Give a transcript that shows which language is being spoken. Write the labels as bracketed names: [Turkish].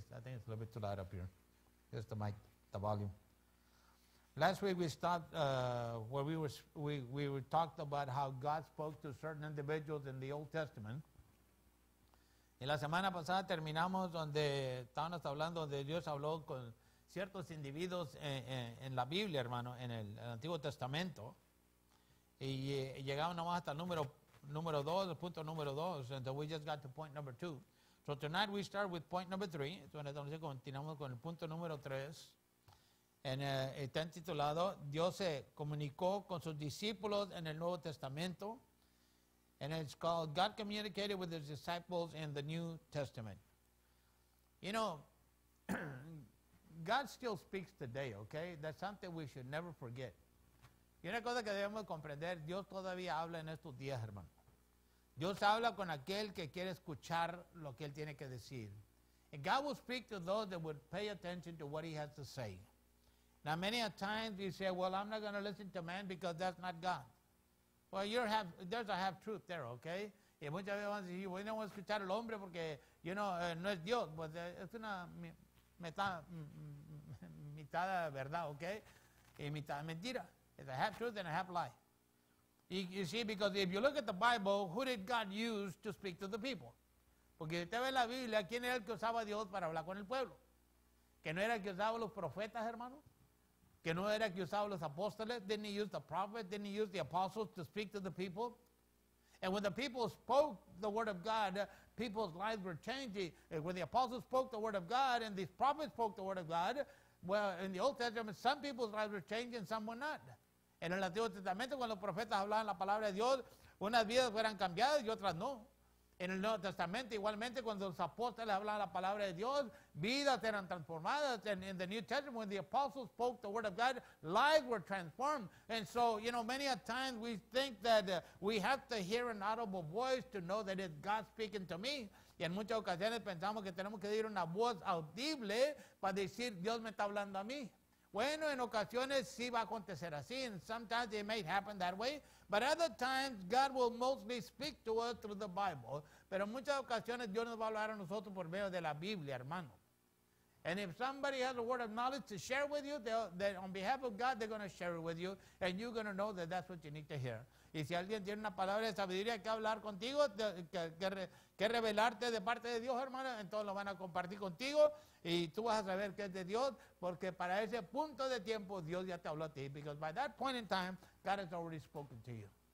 [English] I think it's a little bit too loud up here. Just the mic, the volume. Last week we stopped where we talked about how God spoke to certain individuals in the Old Testament. [Spanish] Y la semana pasada terminamos donde estábamos hablando donde Dios habló con ciertos individuos en la Biblia, hermano, en el Antiguo Testamento. Y llegamos nomás hasta el punto número dos, [English] and so we just got to point number two. So tonight we start with point number three. [Spanish] Entonces continuamos con el punto número tres. Está titulado Dios se comunicó con sus discípulos en el Nuevo Testamento. [English] And it's called God communicated with his disciples in the New Testament. You know, God still speaks today, okay? That's something we should never forget. [Spanish] Y una cosa que debemos comprender, Dios todavía habla en estos días, hermano. Dios habla con aquel que quiere escuchar lo que él tiene que decir. [English] And God will speak to those that would pay attention to what he has to say. Now, many a times you say, well, I'm not going to listen to man because that's not God. Well, there's a half-truth there, okay? [Spanish] Y muchas veces dicen, bueno, no voy a escuchar al hombre porque, you know, no es Dios. Pues es una mitad verdad, okay? Y mitad mentira. [English] It's a half-truth and a half-lie. You see, because if you look at the Bible, who did God use to speak to the people? [Spanish] Porque si usted ve la Biblia, ¿quién era el que usaba Dios para hablar con el pueblo? ¿Que no era el que usaba los profetas, hermano? que no era que usaba los apóstoles, [English] didn't he use the prophet, didn't he use the apostles to speak to the people? And when the people spoke the word of God, people's lives were changing. And when the apostles spoke the word of God and these prophets spoke the word of God, well, in the Old Testament, some people's lives were changing, some were not. [Spanish] En el Antiguo Testamento, cuando los profetas hablaban la palabra de Dios, unas vidas fueran cambiadas y otras no. En el Nuevo Testamento, igualmente, cuando los apóstoles hablaban la palabra de Dios, vidas eran transformadas. [English] And in the New Testament, when the apostles spoke the word of God, lives were transformed. And so, you know, many a times we think that we have to hear an audible voice to know that it's God speaking to me. [Spanish] Y en muchas ocasiones pensamos que tenemos que oír una voz audible para decir, Dios me está hablando a mí. Bueno, en ocasiones sí va a acontecer así, [English] and sometimes it may happen that way, but other times God will mostly speak to us through the Bible. [Spanish] Pero en muchas ocasiones Dios nos va a hablar a nosotros por medio de la Biblia, hermano. [English] And if somebody has a word of knowledge to share with you, then on behalf of God, they're going to share it with you, and you're going to know that that's what you need to hear. [Spanish] Y si alguien tiene una palabra de sabiduría que hablar contigo, que revelarte de parte de Dios, hermano, entonces lo van a compartir contigo, y tú vas a saber que es de Dios, porque para ese punto de tiempo, Dios ya te habló a ti, [English] because by that point in time, God has already spoken to you.